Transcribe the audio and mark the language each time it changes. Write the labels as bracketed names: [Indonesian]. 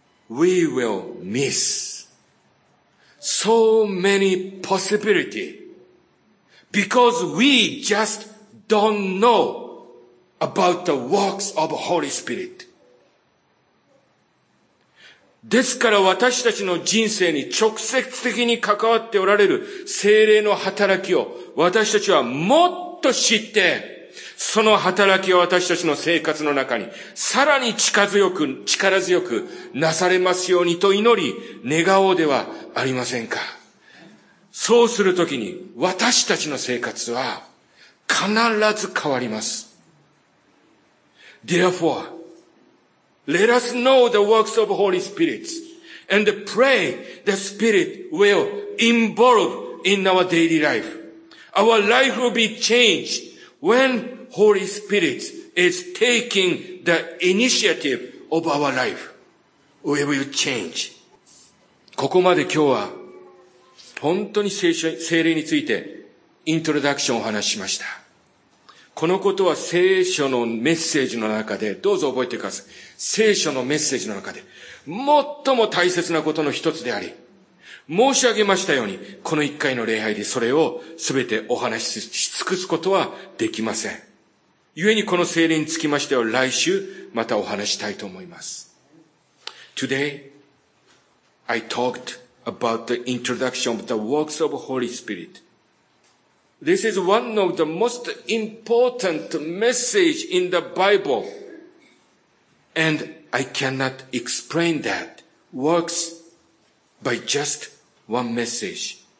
[English] We will miss so many possibility because we just don't know about the works of Holy Spirit. [Japanese] ですから私たちの人生に直接的に関わっておられる聖霊の働きを私たちはもっと知って、その働きを私たちの生活の中にさらに力強くなされますようにと祈り願おうではありませんか。そうするときに私たちの生活は必ず変わります。 [English] Therefore, let us know the works of Holy Spirit and pray the Spirit will involve in our daily life. Our life will be changed whenHoly Spirit is taking the initiative of our life. We will change. [Japanese] ここまで今日は本当に聖霊についてイントロダクションをお話しました。このことは聖書のメッセージの中で、どうぞ覚えてください。聖書のメッセージの中で最も大切なことの一つであり、申し上げましたように、この一回の礼拝でそれを全てお話し尽くすことはできません。故にこの聖霊につきましては来週またお話したいと思います。 [English] Today, I talked about the introduction of the works of Holy Spirit. This is one of the most important message in the Bible. And I cannot explain that works by just one message.